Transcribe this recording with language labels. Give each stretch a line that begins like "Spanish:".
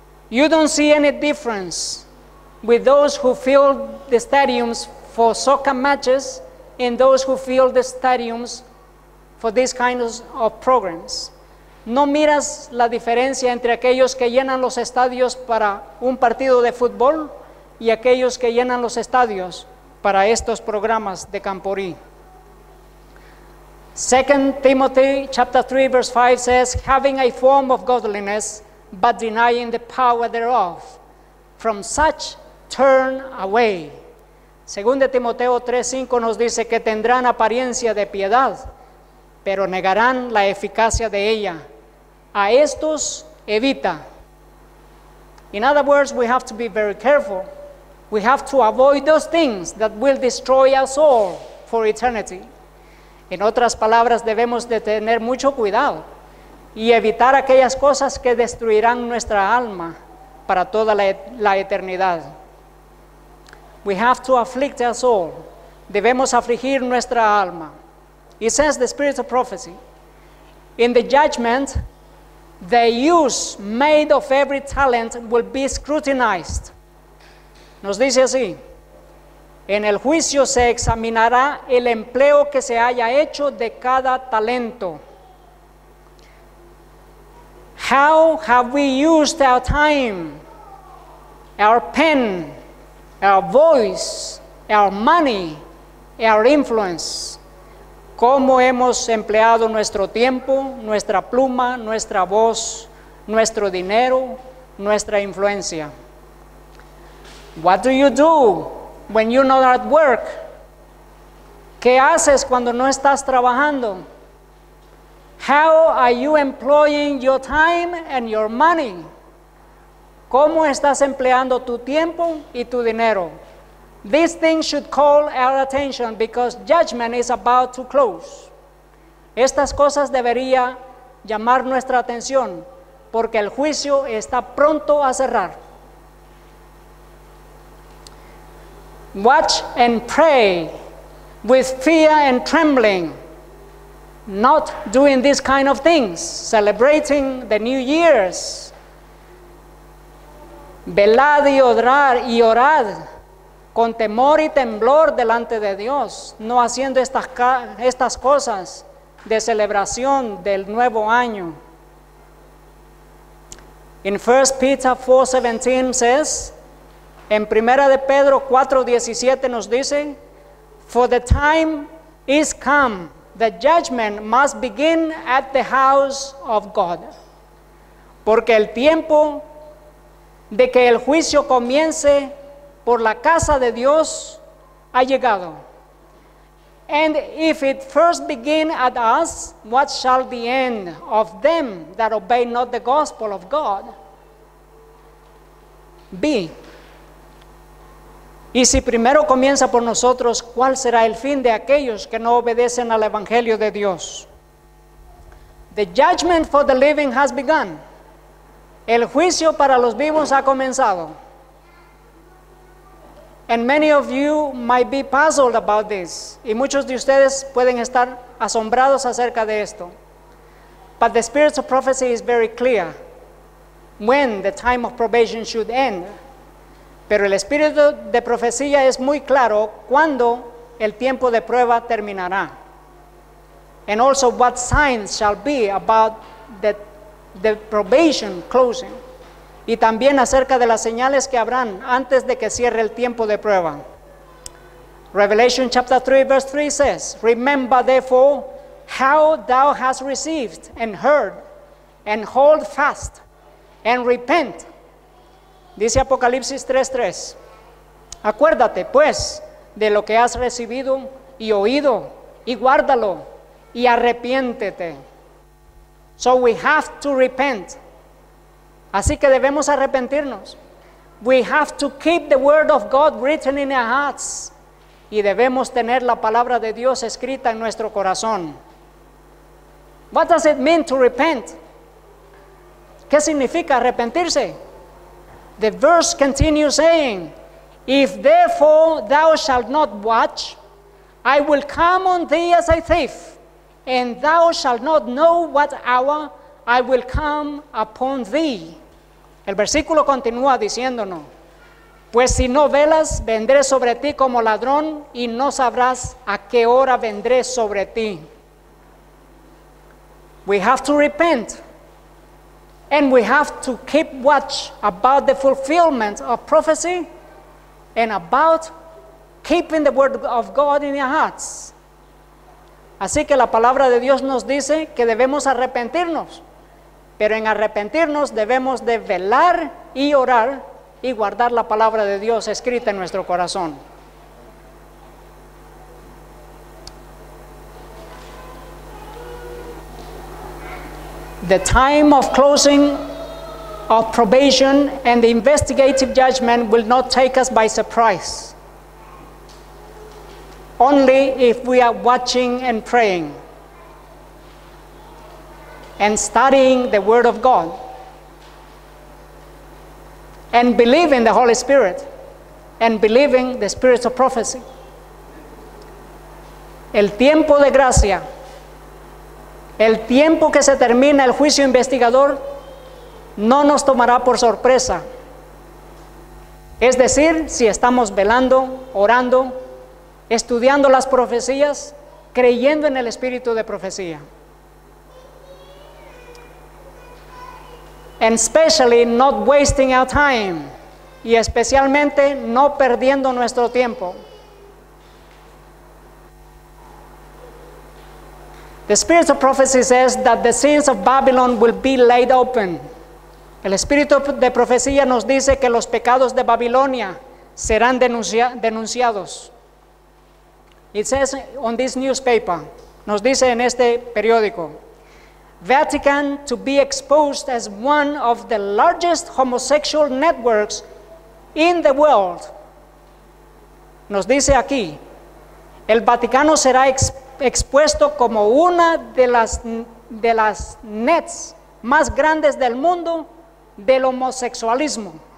English: You don't see any difference with those who fill the stadiums for soccer matches and those who fill the stadiums for these kinds of programs.
Spanish: No miras la diferencia entre aquellos que llenan los estadios para un partido de fútbol y aquellos que llenan los estadios para estos programas de Campori.
English: 2 Timothy chapter 3 verse 5 says, having a form of godliness, but denying the power thereof, from such turn away.
Spanish: 2 Timoteo 3:5 nos dice que tendrán apariencia de piedad, pero negarán la eficacia de ella. A estos evita.
English: In other words, we have to be very careful. We have to avoid those things that will destroy us all for eternity.
Spanish: En otras palabras, debemos de tener mucho cuidado y evitar aquellas cosas que destruirán nuestra alma para toda la eternidad.
English: We have to afflict our soul.
Spanish: Debemos afligir nuestra alma.
English: It says the spirit of prophecy. In the judgment, the use made of every talent will be scrutinized.
Spanish: Nos dice así. En el juicio se examinará el empleo que se haya hecho de cada talento.
English: How have we used our time, our pen, our voice, our money, our influence?
Spanish: ¿Cómo hemos empleado nuestro tiempo, nuestra pluma, nuestra voz, nuestro dinero, nuestra influencia?
English: What do you do when you're not at work?
Spanish: ¿Qué haces cuando no estás trabajando?
English: How are you employing your time and your money?
Spanish: ¿Cómo estás empleando tu tiempo y tu dinero?
English: These things should call our attention because judgment is about to close.
Spanish: Estas cosas debería llamar nuestra atención porque el juicio está pronto a cerrar.
English: Watch and pray with fear and trembling. Not doing these kind of things, celebrating the New Year's.
Spanish: Velad y orad con temor y temblor delante de Dios, no haciendo estas cosas de celebración del nuevo año.
English: In 1 Peter 4:17 says,
Spanish: en Primera de Pedro 4:17 nos dice,
English: for the time is come. The judgment must begin at the house of God.
Spanish: Porque el tiempo de que el juicio comience por la casa de Dios ha llegado.
English: And if it first begin at us, what shall the end of them that obey not the gospel of God be?
Spanish: Y si primero comienza por nosotros, ¿cuál será el fin de aquellos que no obedecen al Evangelio de Dios?
English: The judgment for the living has begun.
Spanish: El juicio para los vivos ha comenzado.
English: And many of you might be puzzled about this.
Spanish: Y muchos de ustedes pueden estar asombrados acerca de esto.
English: But the spirit of prophecy is very clear. When the time of probation should end.
Spanish: Pero el espíritu de profecía es muy claro cuándo el tiempo de prueba terminará.
English: And also what signs shall be about the probation closing.
Spanish: Y también acerca de las señales que habrán antes de que cierre el tiempo de prueba.
English: Revelation chapter 3 verse 3 says, remember therefore how thou hast received and heard and hold fast and repent.
Spanish: Dice Apocalipsis 3:3. Acuérdate, pues, de lo que has recibido y oído, y guárdalo, y arrepiéntete.
English: So we have to repent.
Spanish: Así que debemos arrepentirnos.
English: We have to keep the word of God written in our hearts.
Spanish: Y debemos tener la palabra de Dios escrita en nuestro corazón.
English: What does it mean to repent?
Spanish: ¿Qué significa arrepentirse?
English: The verse continues saying, if therefore thou shalt not watch, I will come on thee as a thief, and thou shalt not know what hour I will come upon thee.
Spanish: El versículo continúa diciéndonos, pues si no velas, vendré sobre ti como ladrón, y no sabrás a qué hora vendré sobre ti.
English: We have to repent. And we have to keep watch about the fulfillment of prophecy and about keeping the word of God in your hearts.
Spanish: Así que la palabra de Dios nos dice que debemos arrepentirnos, pero en arrepentirnos debemos de velar y orar y guardar la palabra de Dios escrita en nuestro corazón.
English: the time of closing of probation and the investigative judgment will not take us by surprise. Only if we are watching and praying and studying the Word of God and believing the Holy Spirit and believing the spirits of prophecy.
Spanish: El tiempo de gracia, el tiempo que se termina el juicio investigador, no nos tomará por sorpresa. Es decir, si estamos velando, orando, estudiando las profecías, creyendo en el espíritu de profecía.
English: And especially not wasting our time,
Spanish: y especialmente no perdiendo nuestro tiempo.
English: The spirit of prophecy says that the sins of Babylon will be laid open.
Spanish: El espíritu de profecía nos dice que los pecados de Babilonia serán denunciados.
English: It says on this newspaper,
Spanish: nos dice en este periódico,
English: Vatican to be exposed as one of the largest homosexual networks in the world.
Spanish: Nos dice aquí, el Vaticano será expuesto como una de las nets más grandes del mundo del homosexualismo.